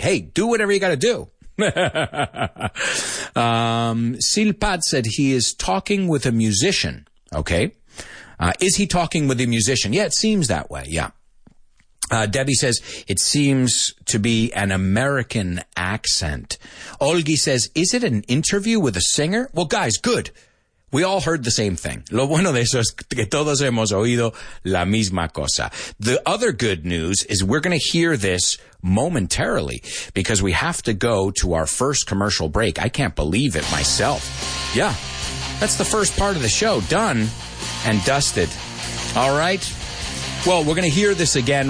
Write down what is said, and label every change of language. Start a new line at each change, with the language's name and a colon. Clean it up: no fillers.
English: Hey, do whatever you got to do. Silpad said he is talking with a musician. Okay. Is he talking with a musician? Yeah, it seems that way. Yeah. Debbie says it seems to be an American accent. Olgi says, is it an interview with a singer? Well, guys, good. We all heard the same thing.
Spanish: Lo bueno de eso es que todos hemos oído la misma cosa.
English: The other good news is we're going to hear this momentarily because we have to go to our first commercial break. I can't believe it myself. Yeah, that's the first part of the show. Done and dusted. All right. Well, we're going to hear this again.